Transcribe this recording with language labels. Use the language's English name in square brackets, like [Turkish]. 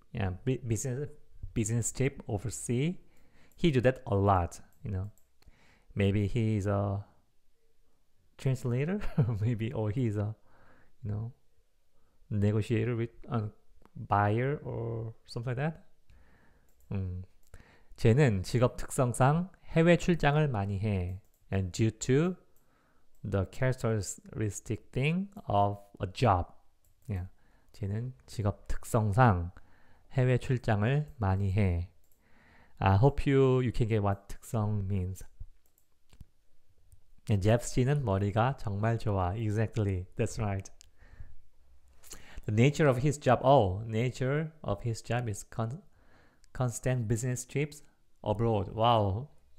[English] Yeah, business trip overseas. He do that a lot, you know. Maybe he is a translator, maybe, or he is a, you know, negotiator with a buyer or something like that. [Korean] 쟤는 직업 특성상 해외 출장을 많이 해. [English] And due to the characteristic thing of a job. Yeah. [Korean] 쟤는 직업 특성상 해외 출장을 많이 해. [English] I hope you can get what [Korean] 특성 [English] means. [Korean] And Jeff 씨는 머리가 정말 좋아. [English] Exactly. That's right. The nature of his job. Oh, nature of his job is constant business trips abroad. Wow.